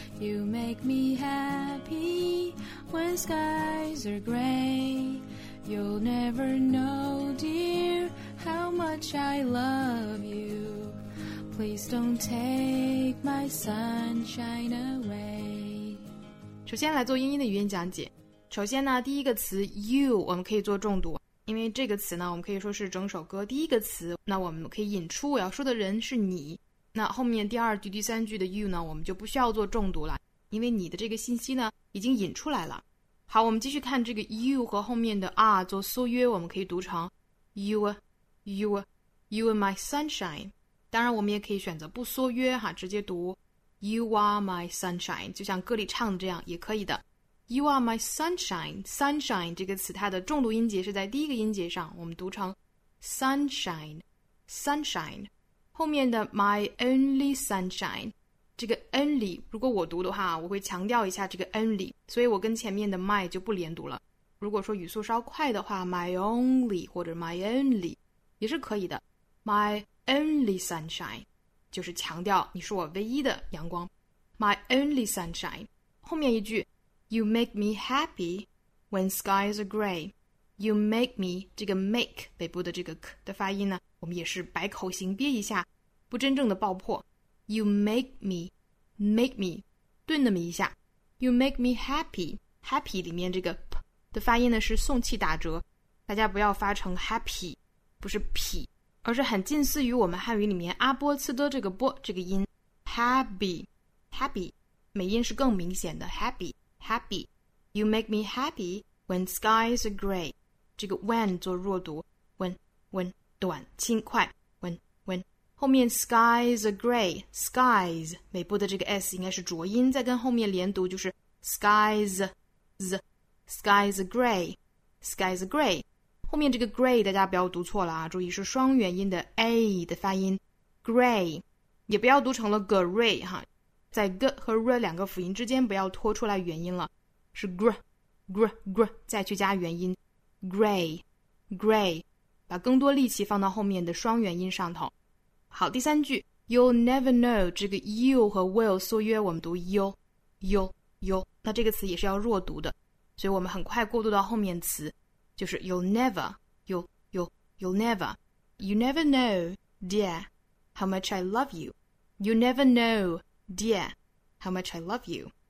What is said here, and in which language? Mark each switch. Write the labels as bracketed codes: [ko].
[en] You make me happy when skies are gray. You'll never know, dear, how much I love you. Please don't take my sunshine away. [zh] 首先来做英音的语音讲解。首先呢，第一个词 you 我们可以做重读，因为这个词呢，我们可以说是整首歌第一个词。那我们可以引出我要说的人是你。那后面第二句、第三句的 you 呢，我们就不需要做重读了，因为你的这个信息呢已经引出来了。好，我们继续看这个 you 和后面的 are 做缩约，我们可以读成 [en] you are my sunshine。 [zh] 当然我们也可以选择不缩约哈，直接读 [en] you are my sunshine， [zh] 就像歌里唱的这样也可以的。 [en] you are my sunshine， [zh] sunshine 这个词它的重读音节是在第一个音节上，我们读成 sunshine sunshine。后面的 [en] my only sunshine， [zh] 这个 only 如果我读的话，我会强调一下这个 only， 所以我跟前面的 my 就不连读了。如果说语速稍快的话， [en] my only [zh] 或者 my only 也是可以的。 [en] my only sunshine [zh] 就是强调你是我唯一的阳光， my only sunshine。后面一句 [en] you make me happy when skies are gray， you make me [zh] 这个 make 北部的这个 k 的发音呢，我们也是百口型憋一下，不真正的爆破。 [en] You make me, make me, [zh] 顿那么一下。 [en] You make me happy, [zh] happy 里面这个 p 的发音呢是送气打折，大家不要发成 happy， 不是 p， 而是很近似于我们汉语里面阿波茨的这个波这个音 happy, happy， 美音是更明显的 happy, happy。 [en] You make me happy when skies are gray， [zh] 这个 when 做弱读 ，when 短轻快。后面 [en] skies are gray， [zh] skies 尾部的这个 s 应该是浊音，再跟后面连读就是 skies， skies are gray， skies are gray。后面这个 gray 大家不要读错了啊，注意是双元音的 a 的发音， gray 也不要读成了 gray 哈，在 g 和 r 两个辅音之间不要拖出来元音了，是 gr 再去加元音 gray， 把更多力气放到后面的双元音上头。好，第三句 [en] You'll never know， [zh] 这个 you 和 will 缩约我们读 you， 那这个词也是要弱读的，所以我们很快过渡到后面词，就是 [en] you'll never you never know dear how much I love you， you never know dear how much I love you。